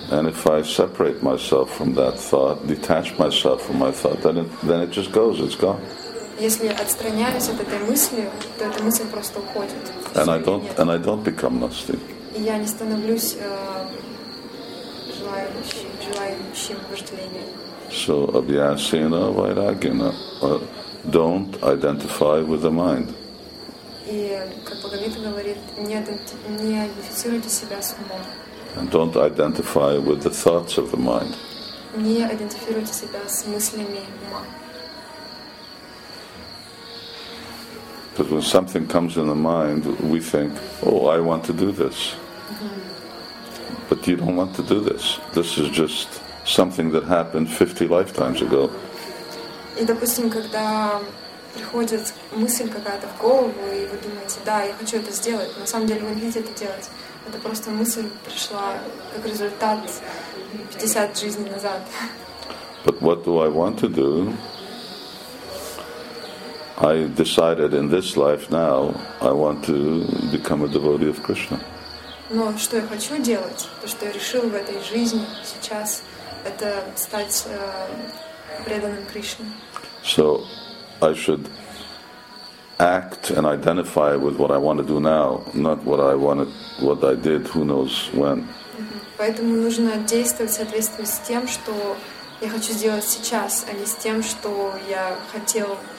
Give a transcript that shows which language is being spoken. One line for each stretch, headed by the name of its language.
English: And if I separate myself from that thought, detach myself from my thought, then it just goes, it's gone.
Russian: Если я отстраняюсь от этой мысли, то эта мысль просто уходит.
English: And I don't become lusty.
Russian: И я не становлюсь желающим вожделением.
English: So abhyasena vairagina, don't identify with the mind.
Russian: И как Бхагавита говорит, не идентифицируйте себя с умом.
English: And don't identify with the thoughts of the mind.
Russian: Не идентифицируйте себя с мыслями ума.
English: Because when something comes in the mind, we think, oh, I want to do this. But you don't want to do this. This is just something that happened 50 lifetimes ago.
Russian: И, допустим, когда приходит мысль какая-то в голову, и вы думаете, да, я хочу это сделать, но на самом деле вы не хотите это делать. Это просто мысль пришла как результат 50 жизней назад.
English: But what do I want to do? I decided in this life now I want to become a devotee of Krishna.
Russian: Но что я хочу делать, то что я решил в этой жизни сейчас, это стать преданным Кришне.
English: So I should act and identify with what I want to do now, not what I did who knows when.
Russian: Поэтому нужно действовать в соответствии с тем, что я хочу сделать сейчас, а не с тем, что я хотел.